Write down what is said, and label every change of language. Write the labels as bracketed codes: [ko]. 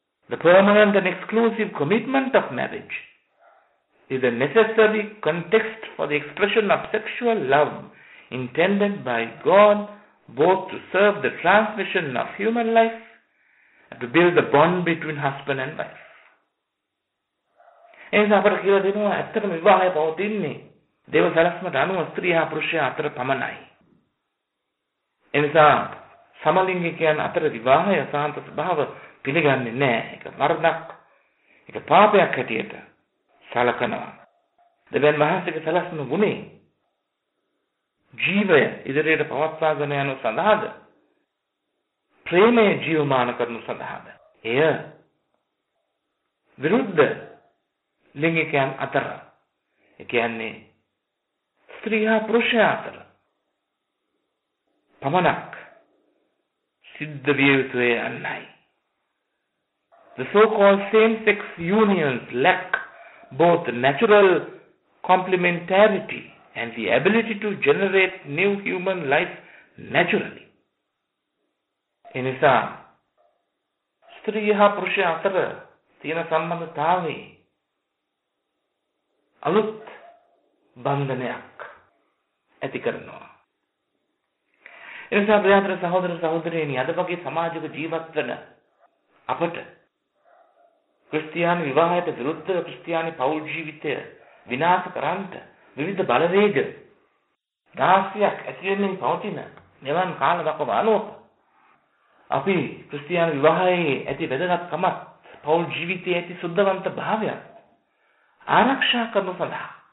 [en] The permanent and exclusive commitment of marriage is a necessary context for the expression of sexual love intended by God, both to serve the transmission of human life and to build the bond between husband and wife. [si] එහෙනම් අපට කියලා දෙනවා ඇත්තටම විවාහය පවතින්නේ දේව සැලැස්මට අනුව ස්ත්‍රී හා පුරුෂයා අතර පමණයි. එනිසා සමලිංගිකයන් අතර විවාහය සාන්ත ස්වභාව පිළිගන්නේ නැහැ. ඒක වරදක්. ඒක පාපයක් හැටියට සලකනවා. දෙවියන් වහන්සේක සැලැස්ම වුණේ ජීවය ඉදිරියට පවත්වාගෙන යන සඳහාද? ප්‍රේමය ජීවමාන කරනු සඳහාද? එය විරුද්ධ ලිංගිකයන් අතර, ඒ කියන්නේ ස්ත්‍රී හා පුරුෂයා අතර පමණක් සිද්ධ විය යුතුය යන්නයි. [en] The so-called same-sex unions lack both natural complementarity and the ability to generate new human life naturally. [si] එනිසා ස්ත්‍රී හා පුරුෂ අතර තියෙන සම්බන්ධතාවයේ අලුත් බන්ධනයක් ඇති කරනවා. එනිසා ප්‍රියතර සහෝදර සහෝදරයනි, අද වගේ සමාජක ජීවත් වන අපට ක්‍රිස්තියානි විවාහයට විරුද්ධ ක්‍රිස්තියානි පෞල් ජීවිතය විනාශ කරන්නට විවිධ බලවේග දාහසයක් ඇති වෙමින් පවතින මෙවන් කාල දක්වා අනුව අපි ක්‍රිස්තියානි විවාහයේ ඇති වැදගත්කමත් පෞල් ජීවිතයේ ඇති සුද්ධවන්ත භාවය ආරක්ෂා කරන සඳහා